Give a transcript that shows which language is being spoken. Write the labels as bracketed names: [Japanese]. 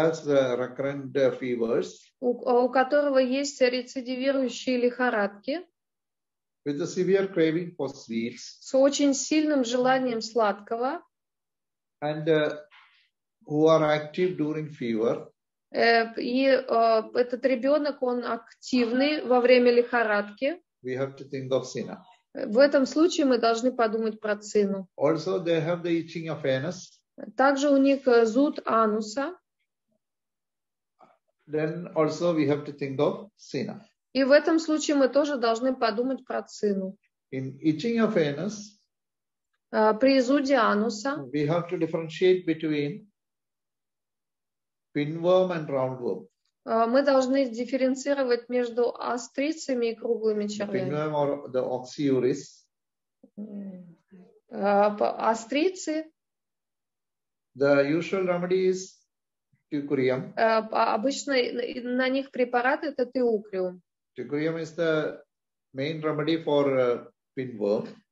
[English] Who has recurrent fevers. [Russian] У которого есть рецидивирующие лихорадки. [English] With a severe craving for sweets. [Russian] С очень сильным желанием сладкого. [English] And who are active during fever. [Russian] Этот ребенок, он активный во время лихорадки. [English] We have to think of Cina. [Russian] В этом случае мы должны подумать про Цину. [English] Also, they have the itching of anus. [Russian] Также у них зуд ануса. [English] Then also we have to think of Cina. [Russian] И в этом случае мы тоже должны подумать про Цину. [English] In itching of anus, [Russian] при зуде ануса, [English] we have to differentiate between pinworm and roundworm. [Russian] Мы должны дифференцировать между острицами и круглыми червями. [English] Pinworm or the oxyuris. [Russian] Острицы. [English] The usual remedy is Tucurium. [Russian] Обычно на них препарат это Tucurium. [English] Tucurium is the main remedy for pinworm.